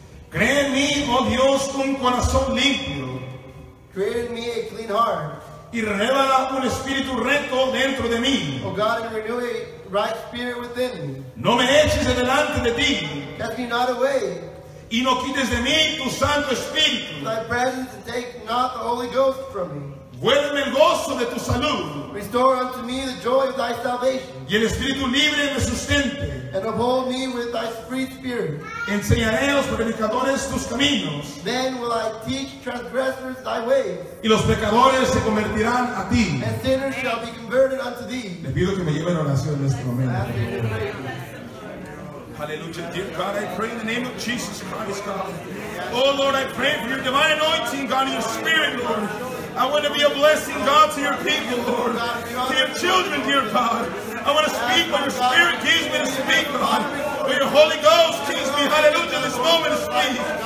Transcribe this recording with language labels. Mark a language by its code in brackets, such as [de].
[es] Cree en mí, oh Dios, un corazón limpio. [en] Create in me a clean heart. [es] Y renueva un espíritu recto dentro de mí. [en] Oh God, renew a right spirit within me. [es] No me eches delante de ti. [en] Cast me not away. [es] Y no quites de mí tu santo espíritu. [en] Thy presence take not the Holy Ghost from me. [es] Vuélveme el gozo de tu salud. [en] Restore unto me the joy of thy salvation. [es] Y el espíritu libre me sustente. [en] And uphold me with thy free spirit. [es] Enseñaré a los pecadores tus caminos. [en] Then will I teach transgressors thy ways. [es] Y los pecadores se convertirán a ti. [en] And sinners shall be converted unto thee. [es] Le pido que me lleve en oración en este momento. [en] Hallelujah, dear God, I pray in the name of Jesus Christ, God. Oh Lord, I pray for your divine anointing, God, your spirit, Lord. I want to be a blessing, God, to your people, Lord. To your children, dear God. I want to speak what your spirit teaches me to speak, God. What your Holy Ghost teaches me, hallelujah, this moment to speak.